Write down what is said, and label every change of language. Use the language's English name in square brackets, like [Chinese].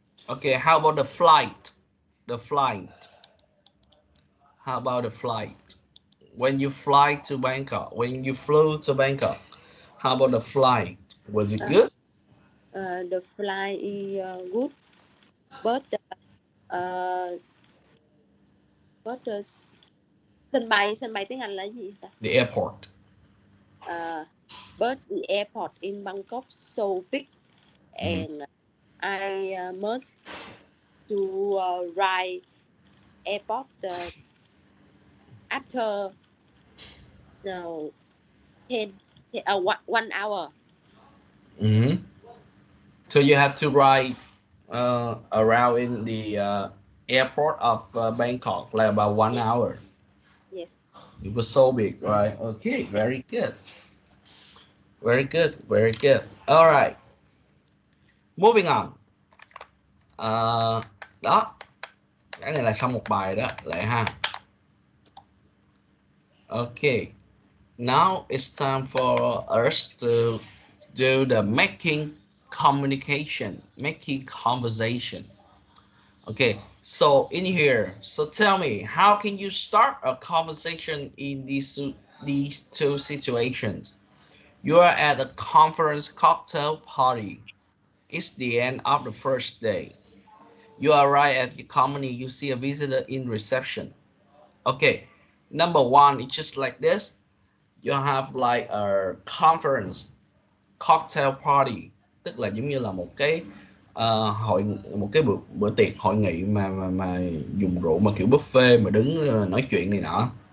[English] Okay, how about the flight? The flight. How about the flight? When you fly to Bangkok, when you flew to Bangkok, how about the flight? Was it good? The flight is good, but the [Vietnamese] sân bay tiếng Anh là gì ta? [English] The airport. But the airport in Bangkok so big, mm-hmm. and I must to ride airport after no 1 hour. Mm-hmm. So you have to ride around in the airport of Bangkok like about 1 hour. Yes. It was so big, right? Okay, very good. Very good, very good. All right. Moving on. [Vietnamese] Đó. Cái này là xong một bài đó, lẹ ha. [English] Okay. Now it's time for us to do the making communication, making conversation. Okay, so in here, so tell me, how can you start a conversation in these two situations? You are at a conference cocktail party. It's the end of the first day. You arrive at your company, you see a visitor in reception. Okay, number one, it's just like this. You have like a conference cocktail party, [Vietnamese] tức là giống như là một cái hội, một cái bữa tiệc hội nghị mà dùng rượu mà kiểu buffet mà đứng nói chuyện này nọ.